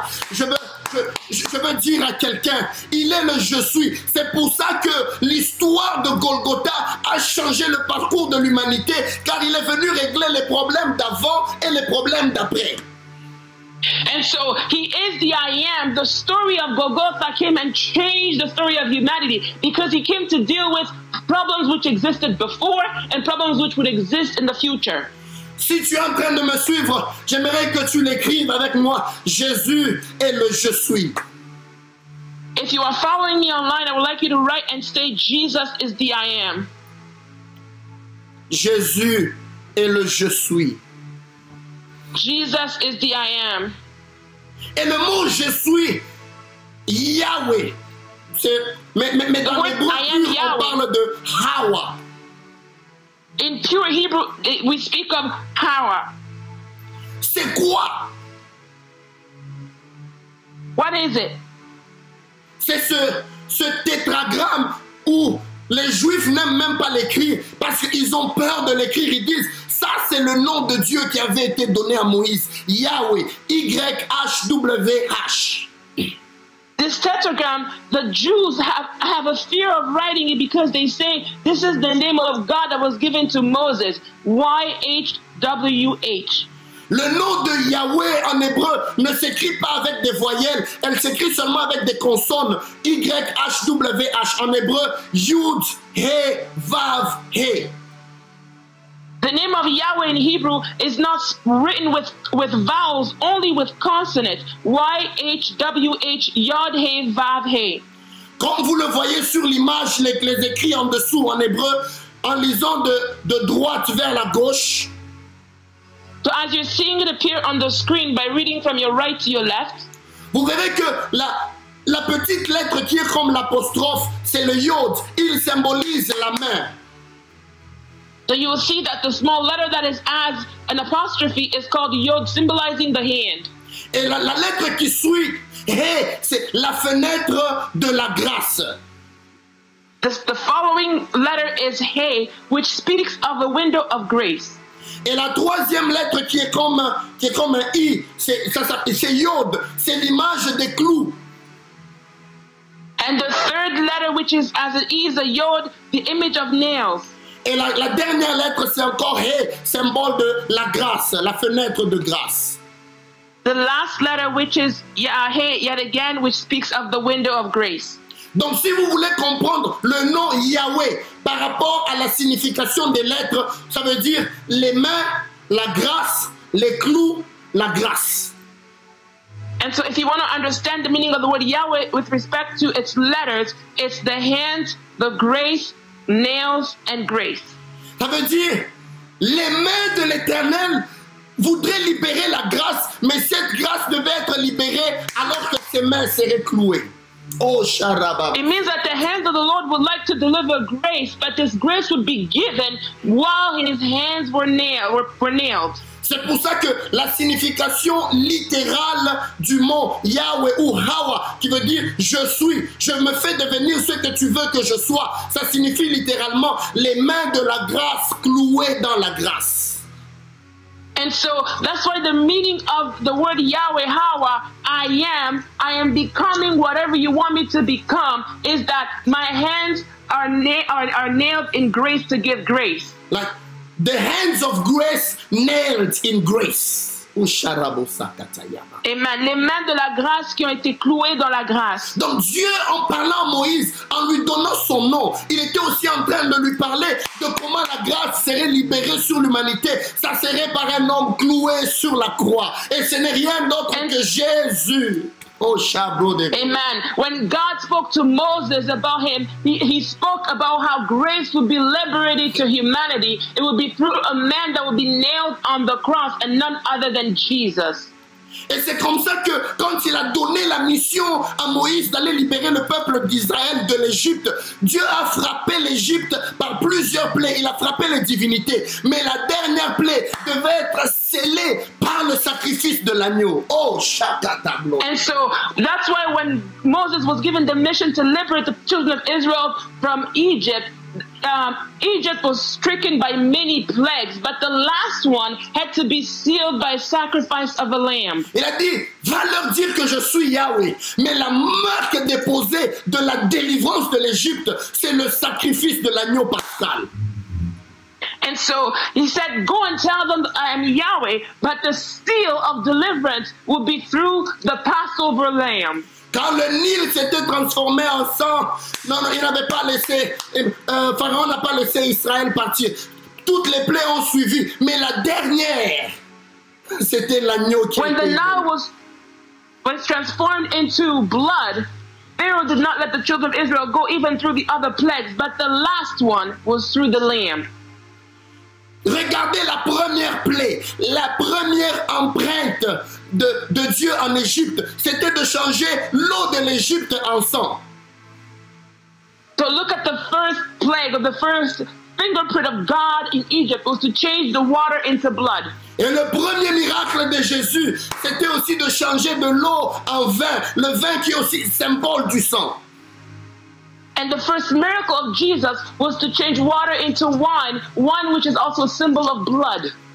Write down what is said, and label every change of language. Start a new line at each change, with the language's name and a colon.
French: Je veux dire à quelqu'un, il est le je suis. C'est pour ça que l'histoire de Golgotha a changé le parcours de l'humanité, car il est venu régler les problèmes d'avant et les problèmes d'après.
English: And so he is the I am. The story of Golgotha came and changed the story of humanity because he came to deal with problems which existed before and problems which would exist in the future.
French: Si tu es en train de me suivre, j'aimerais que tu l'écrives avec moi. Jésus est le je suis.
English: If you are following me online, I would like you to write and say Jesus is the I am.
French: Jésus est le je suis.
English: Jesus is the I am.
French: Et le mot je suis, Yahweh. C'est, mais dans les mots purs, on parle de Hawa.
English: In pure Hebrew, we speak of power.
French: C'est quoi?
English: What is it?
French: C'est ce tétragramme où les Juifs n'aiment même pas l'écrire parce qu'ils ont peur de l'écrire. Ils disent, ça c'est le nom de Dieu qui avait été donné à Moïse. Yahweh, YHWH.
English: This tetragram, the Jews have a fear of writing it because they say this is the name of God that was given to Moses, YHWH.
French: Le nom de Yahweh en hébreu ne s'écrit pas avec des voyelles, elle s'écrit seulement avec des consonnes, YHWH, en hébreu, Yud, He, Vav, He.
English: The name of Yahweh in Hebrew is not written with vowels, only with consonants. YHWH, Yod, Hey, Vav, Hey.
French: Comme vous le voyez sur l'image, les écrits en dessous en hébreu, en lisant de droite vers la gauche.
English: So as you're seeing it appear on the screen by reading from your right to your left.
French: Vous verrez que la petite lettre qui est comme l'apostrophe, c'est le Yod. Il symbolise la main.
English: then you will see that the small letter that is as an apostrophe is called yod, symbolizing the hand.
French: Et la lettre qui suit, hey, c'est la fenêtre de la grâce.
English: The following letter is hey, which speaks of a window of grace.
French: Et la troisième lettre qui est comme un i, c'est yod, c'est l'image des clous.
English: And the third letter, which is as an e, is a yod, the image of nails.
French: Et la dernière lettre, c'est encore hey, symbole de la grâce, la fenêtre de grâce.
English: The last letter, which is hey, yet again, which speaks of the window of grace.
French: Donc, si vous voulez comprendre le nom Yahweh par rapport à la signification des lettres, ça veut dire les mains, la grâce, les clous, la grâce.
English: And so, if you want to understand the meaning of the word Yahweh with respect to its letters, it's the hands, the grace, nails, and grace.
French: Ça veut dire les mains de l'Éternel voudraient libérer la grâce, mais cette grâce devait être libérée alors que ses mains seraient clouées. Oh,
English: it means that the hands of the Lord would like to deliver grace, but this grace would be given while his hands were nailed. C'est pour ça que la signification littérale du mot Yahweh ou Hawa, qui veut dire je suis, je me fais devenir ce que tu veux que je sois, ça signifie littéralement les mains de la grâce clouées dans la grâce. And so that's why the meaning of the word Yahweh Hawa, I am becoming whatever you want me to become, is that my hands are nailed in grace to give grace. Like the hands of grace nailed in grace. Amen.
French: Les mains de la grâce qui ont été clouées dans la grâce. Donc Dieu, en parlant à Moïse, en lui donnant son nom, il était aussi en train de lui parler de comment la grâce serait libérée sur l'humanité. Ça serait par un homme cloué sur la croix. Et ce n'est rien d'autre que Jésus. Amen.
English: When God spoke to Moses about him, he spoke about how grace would be liberated to humanity. It would be through a man that would be nailed on the cross and none other than Jesus.
French: Et c'est comme ça que quand il a donné la mission à Moïse d'aller libérer le peuple d'Israël de l'Égypte, Dieu a frappé l'Égypte par plusieurs plaies. Il a frappé les divinités. Mais la dernière plaie devait être scellée par le sacrifice de l'agneau. Oh, chaque tableau.
English: And so, that's why when Moses was given the mission to liberate the children of Israel from Egypt, Egypt was stricken by many plagues, but the last one had to be sealed by sacrifice of a lamb.
French: Il a dit, va leur dire que je suis Yahweh, mais la marque déposée de la délivrance de l'Égypte, c'est le sacrifice de l'agneau pascal.
English: And so he said, go and tell them I am Yahweh, but the seal of deliverance will be through the Passover lamb.
French: Quand le Nil s'était transformé en sang, non, il n'avait pas laissé, Pharaon n'a pas laissé Israël partir. Toutes les plaies ont suivi, mais la dernière, c'était l'agneau qui était.
English: When the Nile was transformed into blood, Pharaoh did not let the children of Israel go even through the other plagues, but the last one was through the lamb.
French: Regardez la première plaie, la première empreinte de Dieu en Égypte, c'était de changer l'eau de l'Égypte en sang.
English: So look at the first plague, or the first fingerprint of God in Egypt, was to change the water into blood.
French: Et le premier miracle de Jésus, c'était aussi de changer de l'eau en vin, le vin qui est aussi symbole du sang.
English: And the first miracle of Jesus was to change water into wine, wine which is also a symbol of blood.